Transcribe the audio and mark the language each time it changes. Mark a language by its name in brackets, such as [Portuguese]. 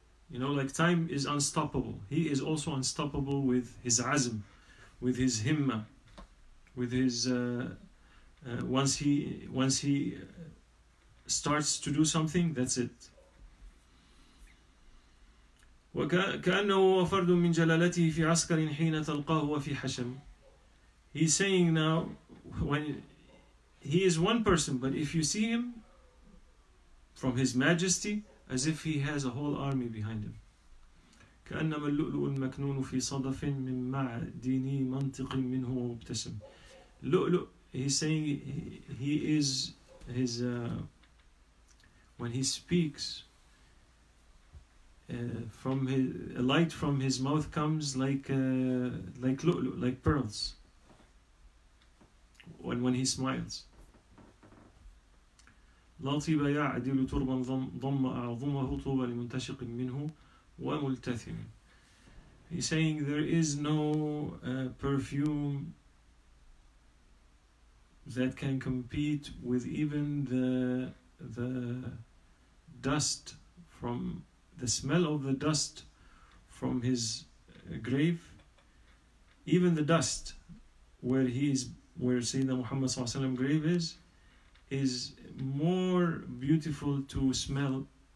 [English] You know, like time is unstoppable. He is also unstoppable with his azm, with his himma, with his once he starts to do something, that's it. [Arabic] وكأنه فرد من جلالته في عسكر حين تلقاه وفي حشم. [English] He's saying now, when he is one person, but if you see him from his majesty, as if he has a whole army behind him. [Arabic] كأنما اللؤلؤ المكنون في صدف من معدني منطق منه مبتسم. [English] لؤلؤ, he's saying he is his when he speaks, from his, a light from his mouth comes like lu'lu, like pearls. When he smiles, [Arabic] لطيبا يعدل تربا ضم أعظمه طوبى لمنتشق منه وملتثم. [English] He's saying there is no perfume that can compete with even the dust from the smell of the dust from his grave, even the dust where he is, where Sayyidina Muhammad sallallahu alaihi wasallam grave is more beautiful to smell.